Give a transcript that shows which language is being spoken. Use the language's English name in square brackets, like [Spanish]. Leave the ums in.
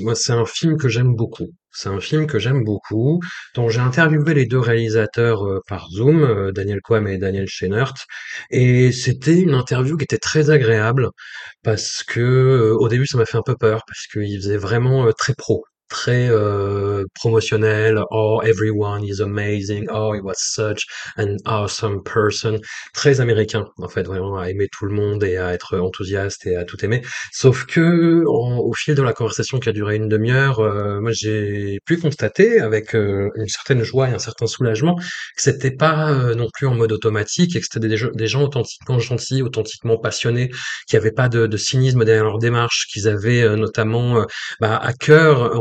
[French] Moi, c'est un film que j'aime beaucoup. C'est un film que j'aime beaucoup, dont j'ai interviewé les deux réalisateurs par Zoom, Daniel Quam et Daniel Scheinert, Et c'était une interview qui était très agréable, parce que au début, ça m'a fait un peu peur, parce qu'ils faisait vraiment très pro, très euh, promotionnel. [English] Oh, everyone is amazing. Oh, he was such an awesome person. [French] Très américain, en fait, vraiment à aimer tout le monde et à être enthousiaste et à tout aimer. Sauf que, en, au fil de la conversation qui a duré une demi-heure, euh, moi j'ai pu constater avec euh, une certaine joie et un certain soulagement que c'était pas non plus en mode automatique et que c'était des, des gens authentiquement gentils, authentiquement passionnés, qui avaient pas de, de, cynisme derrière leur démarche, qu'ils avaient notamment bah, à cœur.